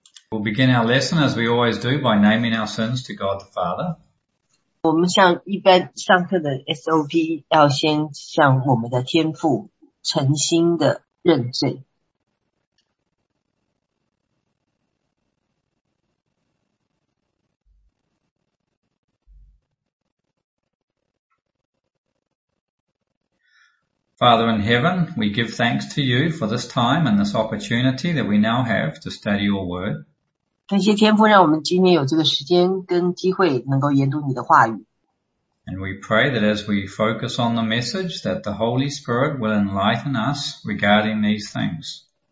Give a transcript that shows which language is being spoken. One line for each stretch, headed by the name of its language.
English: We'll begin our lesson, as we always do, by naming our sins to God the Father.
Chinese: 我们像一般上课的SOP, 要先向我们的天父诚心的认罪。
English: Father in heaven, we give thanks to you for this time and this opportunity that we now have to study your word.
Chinese: 感谢天父让我们今天有这个时间跟机会能够研读你的话语。
English: And we pray that as we focus on the message, that the Holy Spirit will enlighten us regarding these things.